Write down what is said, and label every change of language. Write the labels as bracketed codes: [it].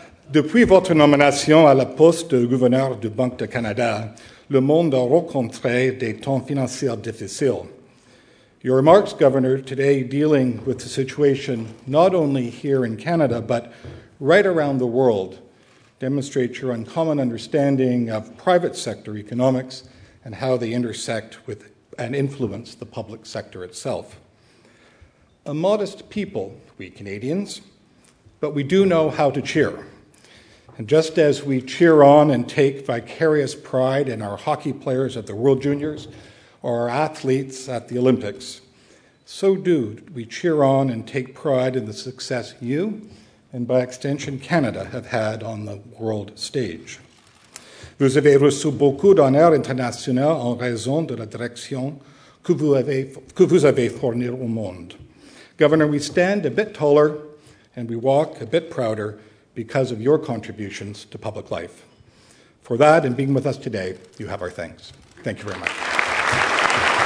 [fr] Depuis votre nomination à la poste de gouverneur du Banque du Canada, le monde a rencontré des temps financiers difficiles. [en] Your remarks, Governor, today dealing with the situation not only here in Canada, but right around the world, demonstrate your uncommon understanding of private sector economics and how they intersect with and influence the public sector itself. A modest people, we Canadians, but we do know how to cheer. And just as we cheer on and take vicarious pride in our hockey players at the World Juniors or our athletes at the Olympics, so do we cheer on and take pride in the success you and, by extension, Canada have had on the world stage. [fr] Vous avez reçu beaucoup d'honneurs internationaux en raison de la direction que vous avez fournie au monde. [en] Governor, we stand a bit taller and we walk a bit prouder because of your contributions to public life. For that and being with us today, you have our thanks. Thank you very much.